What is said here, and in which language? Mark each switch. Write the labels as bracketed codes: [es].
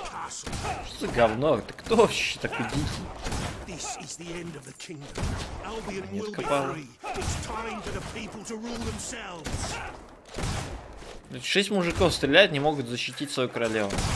[ru] Что за говно? Ты кто вообще такой дикий? [en] This is the end of the kingdom. Albion will be free. It's time for the people to rule themselves. [ru] Шесть мужиков стреляют, не могут защитить свою королеву.